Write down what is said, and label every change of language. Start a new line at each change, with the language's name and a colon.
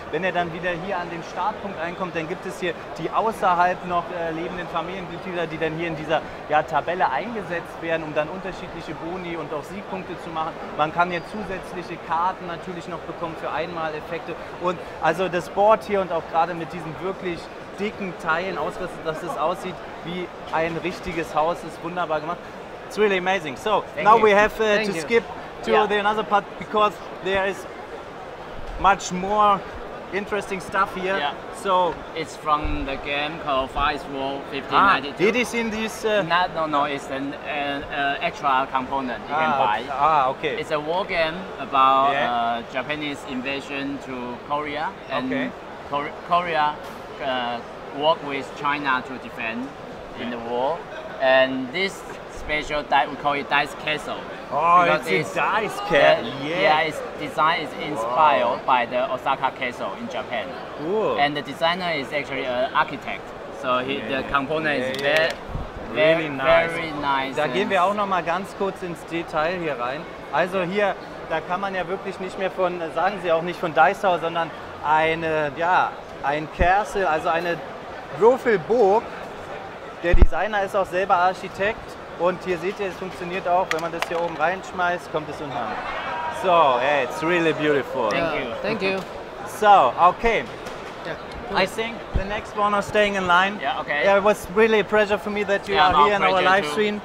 German: Wenn ihr dann wieder hier an den Startpunkt einkommt, dann gibt es hier die außerhalb noch lebenden Familienmitglieder, die dann hier in dieser Tabelle eingesetzt werden, um dann unterschiedliche Boni und auch Siegpunkte zu machen. Man kann hier zusätzliche Karten natürlich noch bekommen für Einmaleffekte. Und also das Board hier und auch gerade mit diesen wirklich dicken Teilen ausgerüstet, dass es aussieht wie ein richtiges Haus, ist wunderbar gemacht.
English: It's really amazing. So, Thank you. We have to skip to the another part because there is much more interesting stuff here. So, it's from the game called Five World 1592. It is in this. No, it's an extra component you can buy. Okay. It's a war game about Japanese invasion to Korea. And Korea. Work with China to defend in the war, and this special dice we call it dice castle. It's design is inspired by the Osaka castle in Japan. Cool. And the designer is actually an architect, so the component is really nice. Very nice.
German: Da gehen wir auch noch mal ganz kurz ins Detail hier rein. Also hier, da kann man ja wirklich nicht mehr von sagen Sie auch nicht von Dice Tower, sondern eine ein Castle, also eine Würfelburg. Der Designer ist auch selber Architekt. Und hier seht ihr, es funktioniert auch, wenn man das hier oben reinschmeißt, kommt es unten an.
English: So, it's really beautiful. Thank you. So, okay. Yeah. I think the next one are staying in line. Yeah, okay. Yeah, it was really a pleasure for me that you are here in our live stream.